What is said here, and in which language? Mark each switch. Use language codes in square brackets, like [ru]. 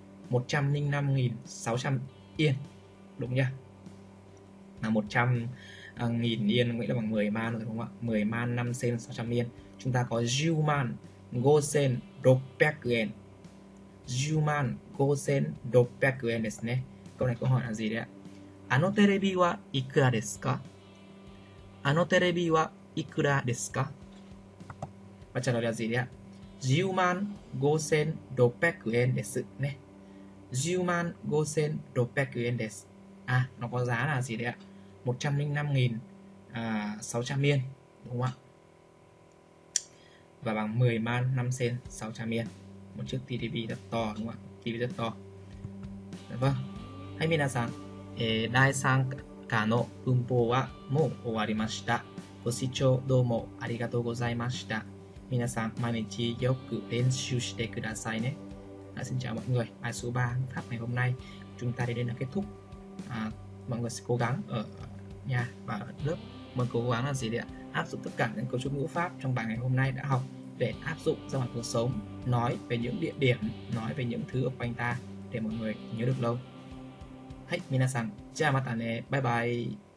[vi] 105.600 yên. Đúng nhá. Là 100.000 yên nghĩa là bằng 10 man rồi đúng không ạ? 10 man, 5 sen, 600 yên. Chúng ta có 10 man, 5 sen, 600 yên. 10 man, 5 sen, 600 yên [ja] ですね. [vi] Câu này câu hỏi là gì đấy ạ? [ja] あのテレビはいくらですか?あのテレビはいくらですか? まあ、じゃあ、これは字で、10万5600円ですね。 10万5600円です。あ、なんか、ざら字で、105,600円。どうも。 và bằng 10万5600円。もう、ちょっと TDB だと、どうも。 TV だと。では、はい、皆さん。第3課。他の文法はもう終わりました。ご視聴どうもありがとうございました。皆さん毎日よく練習してくださいね。 [vi] À, xin chào mọi người. Bài số 3 pháp ngày hôm nay chúng ta đến là kết thúc. À, mọi người sẽ cố gắng ở nhà và ở lớp. Mọi người cố gắng là gì đấy ạ? Áp dụng tất cả những cấu trúc ngữ pháp trong bài ngày hôm nay đã học để áp dụng trong cuộc sống, nói về những địa điểm, nói về những thứ ở quanh ta để mọi người nhớ được lâu. Hãy, [ja] minasan, [vi] chào [ja] mata ne, [vi] bye bye.